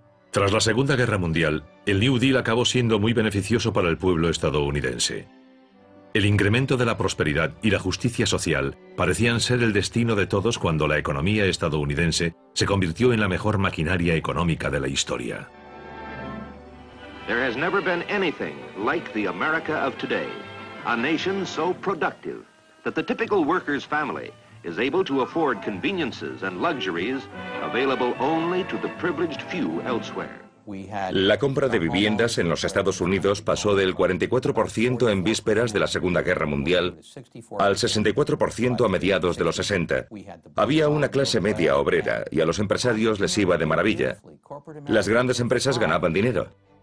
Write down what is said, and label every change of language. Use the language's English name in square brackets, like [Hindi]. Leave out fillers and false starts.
[Spanish] Tras la Segunda Guerra Mundial, el New Deal acabó siendo muy beneficioso para el pueblo estadounidense. El incremento de la prosperidad y la justicia social parecían ser el destino de todos cuando la economía estadounidense se convirtió en la mejor maquinaria económica de la historia. [English] There has never been anything like the America of today, a nation so productive that the typical worker's family is able to afford conveniences and luxuries available only to the privileged few elsewhere. [Spanish] La compra de viviendas en los Estados Unidos pasó del 44% en vísperas de la Segunda Guerra Mundial al 64% a mediados de los 60. Había una clase media obrera y a los empresarios les iba de maravilla. Las grandes empresas ganaban dinero.